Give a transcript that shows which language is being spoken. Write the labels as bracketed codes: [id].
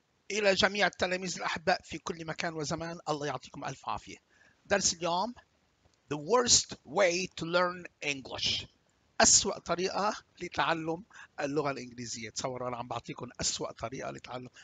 [ar] إلى جميع التلاميذ الأحباء في كل مكان وزمان، الله يعطيكم ألف عافية. درس اليوم: [en] The worst way to learn English. [ar] أسوأ طريقة لتعلم اللغة الإنجليزية. تصوروا أنا عم بعطيكم أسوأ طريقة لتعلم.